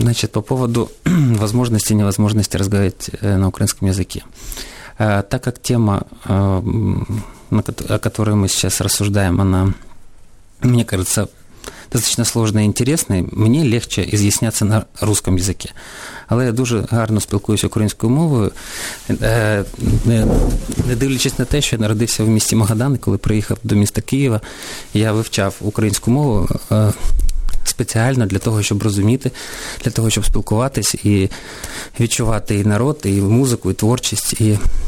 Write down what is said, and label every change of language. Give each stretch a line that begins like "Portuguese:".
Russian: По поводу
Ukrainian: можливості і невозможності розмовляти на українському язикі.
Russian: Так как тема, о которой мы сейчас рассуждаем, она, мне кажется, достаточно сложная и интересная, мне легче изъясняться на русском языке.
Ukrainian: Але я дуже гарно спілкуюся українською мовою, не дивлячись на те, що я народився в місті Магадан, коли приїхав до міста Києва, я вивчав українську мову спеціально для того, щоб розуміти, для того, щоб спілкуватись і відчувати і народ, і музику, і творчість, і...